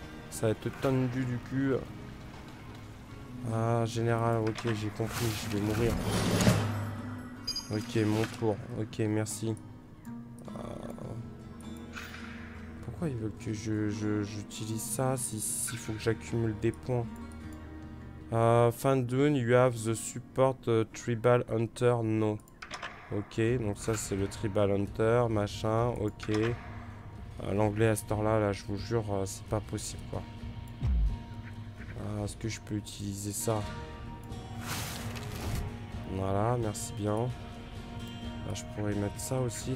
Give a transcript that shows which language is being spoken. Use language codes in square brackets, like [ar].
[fr] Ça va être tendu du cul. Ah, général, ok, j'ai compris, je vais mourir. Ok, mon tour, ok, merci. Pourquoi ils veulent que j'utilise ça s'il faut que j'accumule des points? [en] Fandun, you have the support Tribal Hunter, no. [fr] Ok, donc ça c'est le Tribal Hunter, machin, ok. L'anglais à cette heure-là, là, je vous jure, c'est pas possible, quoi. Est-ce que je peux utiliser ça? Voilà, merci bien. Là, je pourrais mettre ça aussi.